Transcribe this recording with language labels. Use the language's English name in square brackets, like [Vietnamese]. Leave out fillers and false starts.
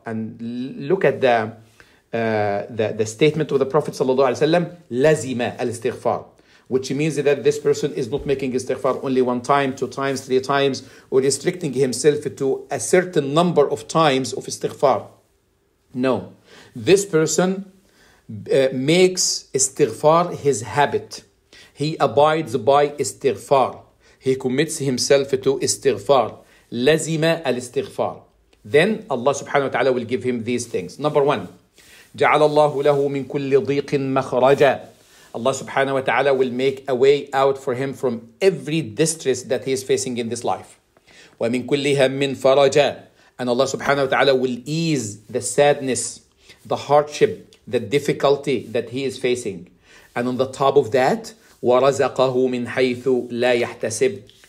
[English] And look at the statement of the Prophet sallallahu alaihi wasallam, lazima al-istighfar, which means that this person is not making istighfar only one time, two times, three times, or restricting himself to a certain number of times of istighfar. No, this person makes istighfar his habit. He abides by istighfar. He commits himself to istighfar. Lazima al-istighfar. Then Allah subhanahu wa ta'ala will give him these things. Number one, [Arabic] جعل الله له من كل ضيق مخرجا. [English] Allah subhanahu wa ta'ala will make a way out for him from every distress that he is facing in this life. [Arabic] ومن كل هم فرجا. [English] And Allah subhanahu wa ta'ala will ease the sadness, the hardship, the difficulty that he is facing. And on the top of that, [Arabic] ورزقه من حيث لا يحتسب.